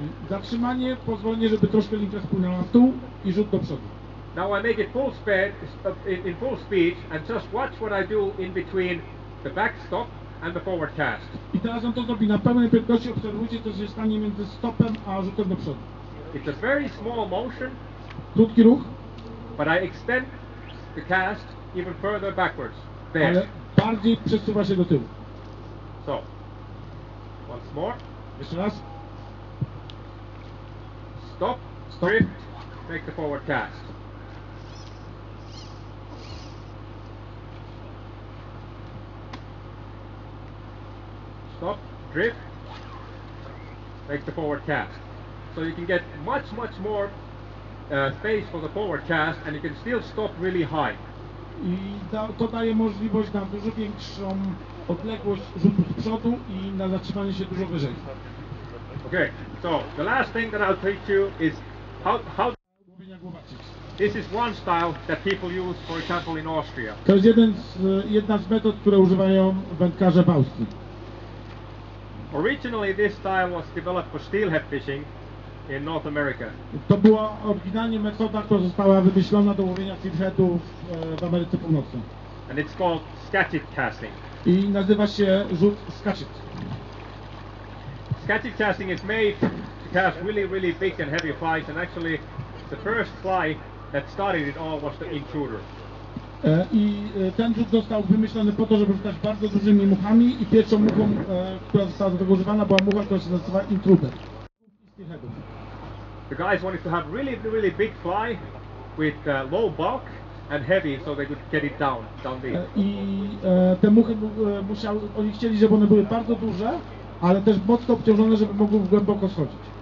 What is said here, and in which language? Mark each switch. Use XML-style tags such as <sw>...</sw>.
<pl>Zatrzymanie pozwoli, żeby troszkę linka spłynęła w tół i rzut do przodu.</pl> <en>Now I make it full speed, in full speed, and just watch what I do in between the back stop and the forward cast.</en> <pl>I teraz on to zrobi na pełnej prędkości, obserwujcie, co się stanie między stopem a rzutem do przodu.</pl> <en>It's a very small motion.</en> <pl>Krótki ruch.</pl> <en>But I extend the cast even further backwards. There.</en> <pl>Ale bardziej przesuwa się do tyłu.</pl> <en>So, once more.</en> <pl>Jeszcze raz.</pl> <en>Stop, stop. Drift, make the forward cast. Stop, drift, make the forward cast. So you can get much, much more space for the forward cast and you can still stop really high.</en> <pl>I to daje możliwość na dużo większą odległość rzutu z przodu i na zatrzymanie się dużo wyżej.</pl> <en>Okay, so the last thing that I'll teach you is how</en> <pl>głowacik.</pl> <en>This is one style that people use, for example, in Austria.</en> <pl>To jest jedna z metod, które używają wędkarze w Austrii.</pl> <en>Originally, this style was developed for steelhead fishing in North America.</en> <pl>To była oryginalnie metoda, która została wymyślona do łowienia steelheadu w Ameryce Północnej.</pl> <en>And it's called scatchet casting.</en> <pl>I nazywa się rzut scatchet.</pl> <en>Scatchet casting is made to cast really, really big and heavy flies, and actually, the first fly that started it all was the intruder.</en> <pl>I ten rzut został wymyślony po to, żeby rzucać bardzo dużymi muchami i pierwszą muchą, która została do tego używana, była mucha, która się nazywa intruder.</pl> <en>The guys wanted to have really, really big fly with low bulk and heavy, so they could get it down deep.</en> <pl>I te muchy musiały, oni chcieli, żeby one były bardzo duże, ale też mocno obciążone, żeby mogły głęboko schodzić.</pl>